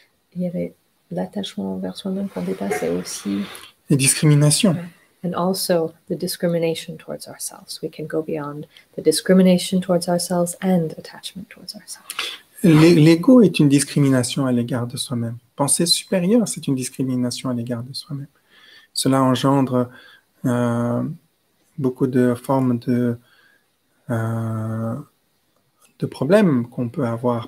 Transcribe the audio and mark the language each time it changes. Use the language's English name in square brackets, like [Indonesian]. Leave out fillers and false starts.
[French] Il y avait l'attachement vers soi-même pour dépasser aussi les discriminations. [English] and also the discrimination towards ourselves. We can go beyond the discrimination towards ourselves and attachment towards ourselves. [French] L'ego est une discrimination à l'égard de soi-même. Penser supérieur, c'est une discrimination à l'égard de soi-même. Cela engendre beaucoup de formes de problèmes qu'on peut avoir.